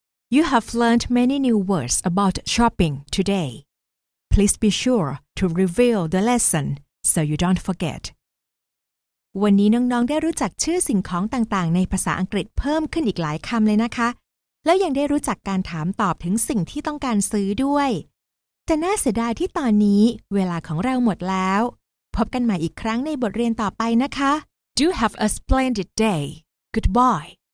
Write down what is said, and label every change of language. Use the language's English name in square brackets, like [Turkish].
[English] You have learned many new words about shopping today. Please be sure to review the lesson so you don't forget. [Thai] วันนี้น้องๆได้รู้จักชื่อสิ่งของต่างๆในภาษาอังกฤษเพิ่มขึ้นอีกหลายคำเลยนะคะแล้วยังได้รู้จักการถามตอบถึงสิ่งที่ต้องการซื้อด้วยแต่น่าเสียดายที่ตอนนี้เวลาของเราหมดแล้วพบกันใหม่อีกครั้งในบทเรียนต่อไปนะคะ [English] Do have a splendid day. Goodbye.